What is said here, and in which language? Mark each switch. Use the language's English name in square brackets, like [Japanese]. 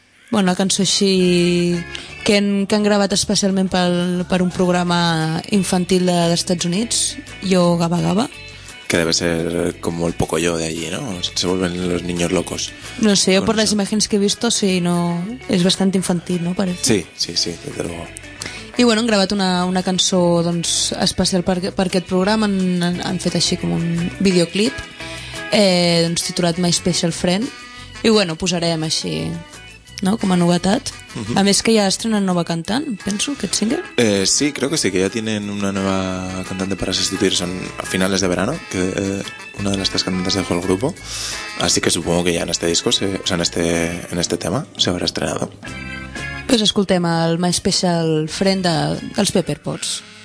[Catalan] Bueno, una cançó així que han gravat especialment per un programa infantil dels Estats Units, Yo Gabba Gabba. [Spanish] Que debe ser como el Pocoyo de allí, ¿no? Se vuelven los niños locos. No sé, yo por eso. Las imágenes que he visto, sí, no... Es bastante infantil, ¿no? Parece. Sí, sí, sí, desde luego. [Catalan] I bueno, han gravat una cançó doncs, especial per aquest programa, han fet així com un videoclip doncs, titulat My Special Friend, i bueno, posarem així, no?, com a novetat. Uh-huh. A més que ja estrenen nova cantant, penso, aquest single. [Spanish] Sí, creo que sí, que ya tienen una nueva cantante para sustituir, son a finales de verano, que una de las tres cantantes dejó el grupo, así que supongo que ya en este disco, en este tema, se habrá estrenado. [Catalan] Pues escoltem el My Special Friend dels Pepper Potts.